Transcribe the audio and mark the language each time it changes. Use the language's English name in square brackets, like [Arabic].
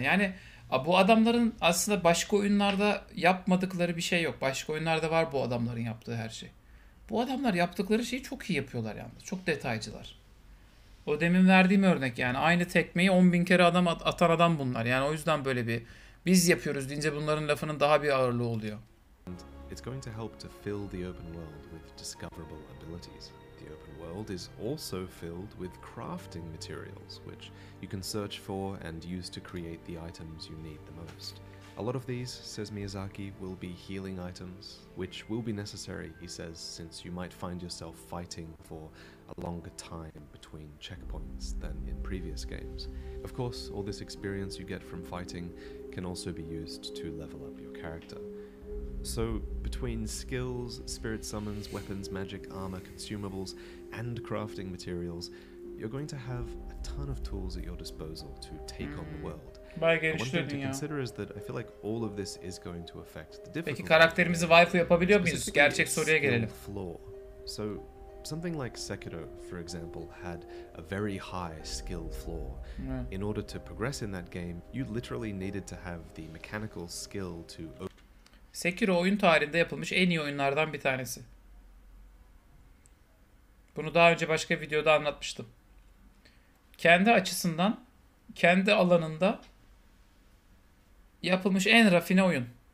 [Turkish] Yani bu adamların aslında başka oyunlarda yapmadıkları bir şey yok. Başka oyunlarda var bu adamların yaptığı her şey. Bu adamlar yaptıkları şeyi çok iyi yapıyorlar yalnız. Çok detaycılar. O demin verdiğim örnek yani. Aynı tekmeyi 10.000 kere adam atan adam bunlar. Yani o yüzden böyle bir biz yapıyoruz deyince bunların lafının daha bir ağırlığı oluyor. [English] It's going to help to fill the open world with discoverable abilities. The open world is also filled with crafting materials, which you can search for and use to create the items you need the most. A lot of these, says Miyazaki, will be healing items, which will be necessary, he says, since you might find yourself fighting for a longer time between checkpoints than in previous games. Of course, all this experience you get from fighting can also be used to level up your character. So, between skills, spirit summons, weapons, magic, armor, consumables, and crafting materials, you're going to have a ton of tools at your disposal to take on the world. [Turkish] Peki karakterimizi waifu yapabiliyor muyuz? Gerçek soruya gelelim. [English] So, something like Sekiro, for example, had a very high skill floor. In order to progress in that game, you literally needed to have the mechanical skill to [Turkish] Sekiro oyun tarihinde yapılmış en iyi oyunlardan bir tanesi. Bunu daha önce başka videoda anlatmıştım. Kendi açısından, kendi alanında yapılmış en rafine oyun.